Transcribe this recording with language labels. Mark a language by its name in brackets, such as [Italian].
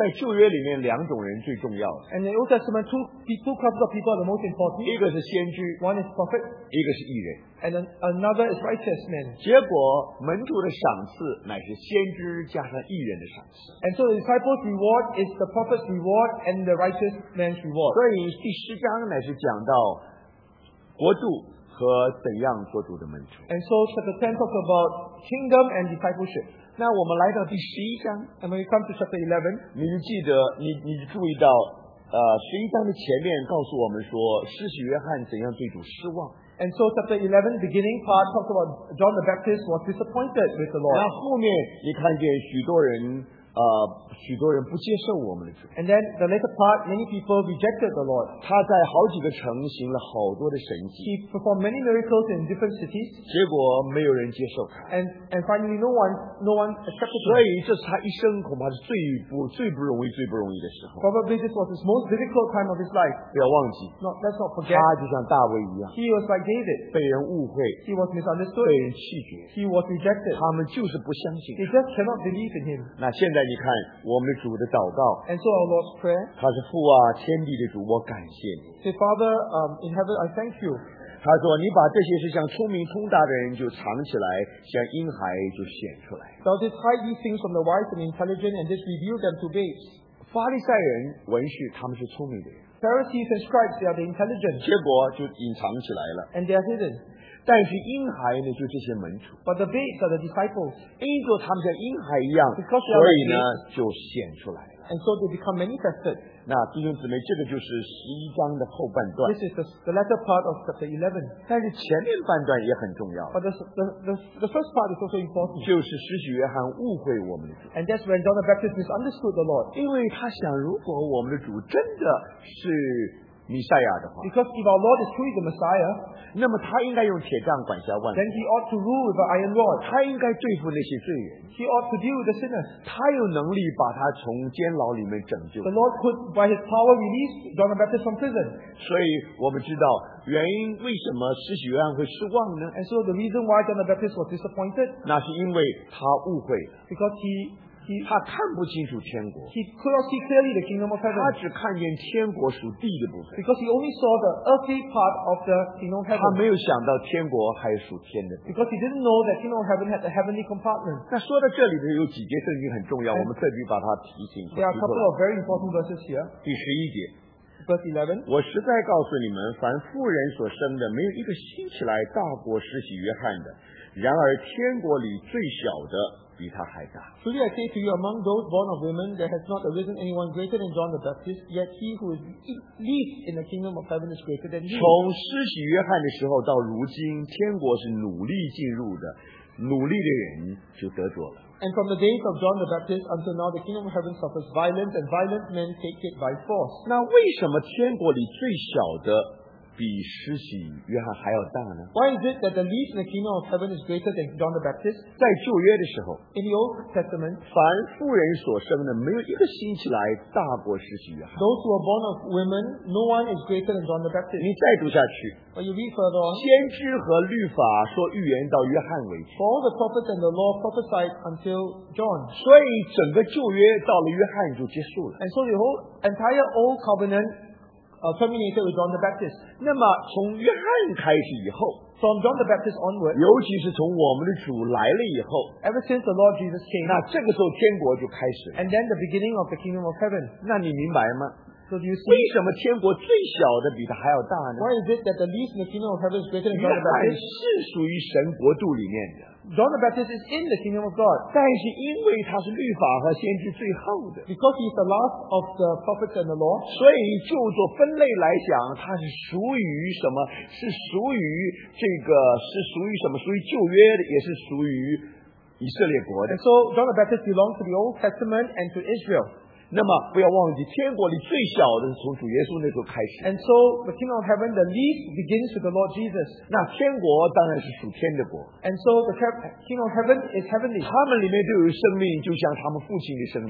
[Chinese] 在旧约里面，两种人最重要。 [English] And in Old Testament, two classes of people are the most important. [Chinese] 一个是先知。 [English] One is prophet. [Chinese] 一个是义人。 [English] And another is righteous man. [Chinese] 结果门徒的赏赐乃是先知加上义人的赏赐。 [English] And so the disciple's reward is the prophet's reward and the righteous man's reward. [Chinese] 所以第十章乃是讲到国度和怎样做主的门徒。 [English] And so chapter 10 talks about kingdom and discipleship. [Chinese] 那我们来到第十一章。 [English] And when we come to chapter 11, [Chinese] 你就记得 你注意到十一章的前面告诉我们说施洗约翰怎样对主失望。 [English] And so chapter 11 beginning part talks about John the Baptist was disappointed with the Lord. [Chinese] 那后面你看见许多人 [English] And then the later part, many people rejected the Lord. He performed many miracles in different cities. And finally, no one accepted him. Probably this was his most difficult time of his life. Let's not forget. He was like David. He was misunderstood. He was rejected. They just cannot believe in him. [Chinese] 那现在你看, [English] and so our Lord's Prayer. [Chinese] 他是父啊, [English] say, Father, in heaven, I thank you. [Chinese] 他说你把这些事像聪明通达的人就藏起来, [English] thou didst hide these things from the wise and intelligent and didst reveal them to babes. [Chinese] 法利赛人文士, [English] Pharisees and scribes, they are the intelligent. [Chinese] 结果就隐藏起来了, [English] and they are hidden. [Chinese] 但是婴孩呢，就这些门徒。 [English] But the babes are the disciples. [Chinese] 因为他们像婴孩一样, [English] because they are [Chinese] babies, 所以呢，就显出来了。 [English] And so they become manifested. [Chinese] 那弟兄姊妹, 这个就是11章的后半段。 [English] This is the latter part of chapter 11. [Chinese] 但是前面半段也很重要。 [English] But the first part is also important. [Chinese] 就是施洗约翰误会我们的主。 [English] And that's when John the Baptist misunderstood the Lord. [Chinese] 因为他想，如果我们的主真的是 弥赛亚的话, [English] because if our Lord is truly the Messiah, [Chinese] 那么他应该用铁杖管辖万民, [English] then he ought to rule with an iron rod. [Chinese] 他应该对付那些罪人, [English] he ought to deal with the sinners. [Chinese] 他有能力把他从监牢里面拯救, [English] the Lord could by his power release John the Baptist from prison. [Chinese] 所以我们知道, 原因为什么施洗约翰会失望呢? [English] And so the reason why John the Baptist was disappointed, [Chinese] 那是因为他误会, [English] because he He could not see clearly the kingdom of heaven. Because he only saw the earthly part of the kingdom of heaven. Because he didn't know that kingdom of heaven had a heavenly compartment. There are a couple of very important verses here. [Chinese] 我实在告诉你们, 凡妇人所生的, 没有一个兴起来大过施洗约翰的, 然而天国里最小的, [English] truly I say to you, among those born of women, there has not arisen anyone greater than John the Baptist, yet he who is least in the kingdom of heaven is greater than he. [Chinese] 从施洗约翰的时候到如今, 天国是努力进入的, 努力的人就得着了。 [English] And from the days of John the Baptist until now, the kingdom of heaven suffers violence, and violent men take it by force. [Chinese] 那为什么天国里最小的 比施洗约翰还要大呢? [English] Why is it that the least in the kingdom of heaven is greater than John the Baptist? [Chinese] 在旧约的时候, [English] in the Old Testament, [Chinese] 凡妇人所生的, 没有一个兴起来大过施洗约翰, [English] those who are born of women, no one is greater than John the Baptist. [Chinese] 你再读下去, [English] but you read further on, [Chinese] 先知和律法说预言到约翰为止, [English] for all the prophets and the law prophesied until John. [Chinese] 所以整个旧约到了约翰就结束了, [English] and so the whole entire Old Covenant terminated with John the Baptist. [Chinese] 那么从约翰开始以后, [English] from John the Baptist onward, [Chinese] 尤其是从我们的主来了以后, [English] ever since the Lord Jesus came, [Chinese] 那这个时候天国就开始了, [English] and then the beginning of the kingdom of heaven. [Chinese] 那你明白吗? [English] So do you see, [Chinese] 为什么天国最小的比他还要大呢? [English] Why is it that the least in the kingdom of heaven is greater than John the Baptist? [Chinese] 约翰是属于神国度里面的, [English] John the Baptist is in the kingdom of God. [Chinese] 但是因为他是律法和先知最后的, [English] because he is the last of the prophets and the law, [Chinese] 所以就做分类来讲, 他是属于什么, 是属于这个, 是属于什么, 属于旧约的, 也是属于以色列国的。 [English] So John the Baptist belongs to the Old Testament and to Israel. [Chinese] 那么不要忘记, 天国里最小的是从主耶稣那时候开始, [English] and so the kingdom of heaven, the least begins with the Lord Jesus. [Chinese] 那天国当然是属天的国, [English] and so the kingdom of heaven is heavenly. [Chinese] 他们里面都有生命, 就像他们父亲的生命,